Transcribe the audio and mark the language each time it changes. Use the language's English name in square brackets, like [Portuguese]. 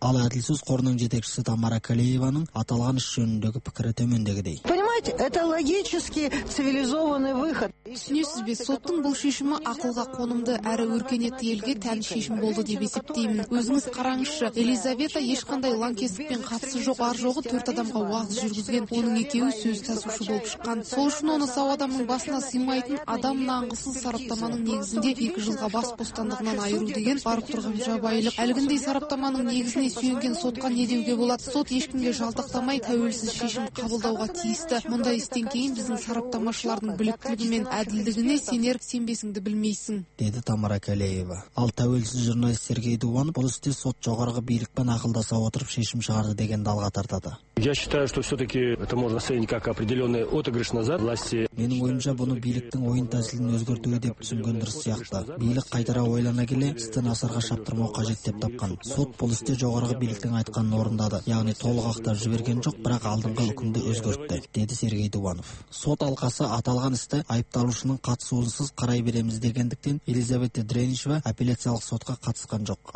[Kazakh] Ал әділсіз қорының жетекшісі Тамара Калееваның аталған іс жөніндегі пікірі төмендегідей. [Russian] Это логически цивилизованный выход. [Kazakh] Түсінесіз бе, соттың бұл шешімі ақылға қонымды, әрі өркениетті елге тән шешім болды деп есептеймін. Өзіңіз қараңызшы, Елизавета ешқандай лаңкестікпен қатысы жоқ, ар жоғы 4 адамға уағыз жүргізген, оның екеуі сөз тасушы болып шыққан. Сол үшін оны сау адамның басына сыймайтын адам наңғысын сараптаманың негізінде 2 жылға бас бостандығынан айыру деген барып тұрған жабайылық. Әлгіндей сараптаманың негізіне сүйенген сотқа не деуге болады? Сот ешкімге жалтақтамай тәуелсіз шешім қабылдауға тиіс. Мұндай істен кейін біздің сараптамашылардың біліктілігі мен әділдігіне сенер сенбесіңді білмейсің, деді Тамара Калеева. Ал тәуелсіз журналист Сергей Дуван бұл істе сот жоғарғы билікпен ақылдаса отырып шешім шығарды деген алға тартады. [Russian] Я считаю, что все-таки это можно оценить как определенный отыгрыш назад власти. [Kazakh] Менің ойымша бұны биліктің ойын тәсілін өзгертуі деп түсінген дұрыс сияқты. Билік қайтара ойлана келе істі насырға шаптырмау қажет деп тапқан. Сот бұл істе жоғарғы биліктің айтқанын орындады, яғни толық ақтар жіберген жоқ, бірақ алдыңғы үкімді өзгертті, деді Сергей Дуванов. Сот алқасы аталған істі айыпталушының қатысуынсыз қарай береміз дегендіктен Елизавета Дренишева апелляциялық сотқа қатысқан жоқ.